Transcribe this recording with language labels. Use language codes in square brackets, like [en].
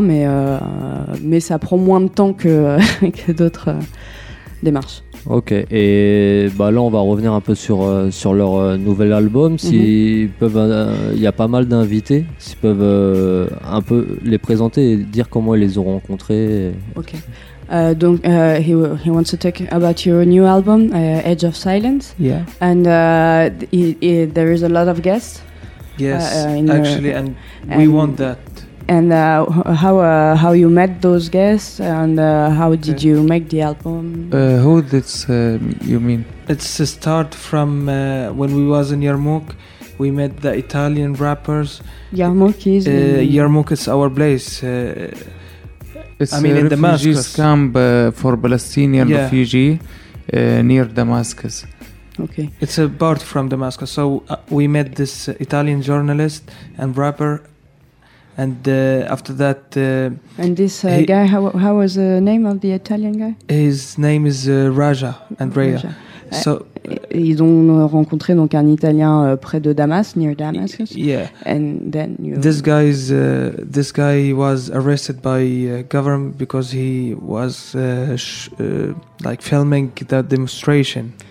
[fr] Mais ça prend moins de temps que d'autres démarches. Ok, et là, on va revenir un peu sur leur nouvel album. Y a pas mal d'invités. S'ils peuvent un peu les présenter et dire comment ils les ont rencontrés. Ok. [en] Donc, he wants to talk about your new album, Edge of Silence. Yeah. And there is a lot of guests. Yes, actually, and we want that. And how you met those guests and how did you make the album? Who this you mean? It's a start from when we was in Yarmouk. We met the Italian rappers. Yarmouk is... Yarmouk is our place. It's in Damascus. It's a refugee camp for Palestinian refugee near Damascus. Okay. It's a part from Damascus. So we met this Italian journalist and rapper. And after that... And this guy, how was the name of the Italian guy? His name is Raja Andrea. Raja. So [fr] ils ont rencontré donc un Italien près de Damas, [en] near Damascus. Yeah. And then you. This guy was arrested by government because he was filming the demonstration.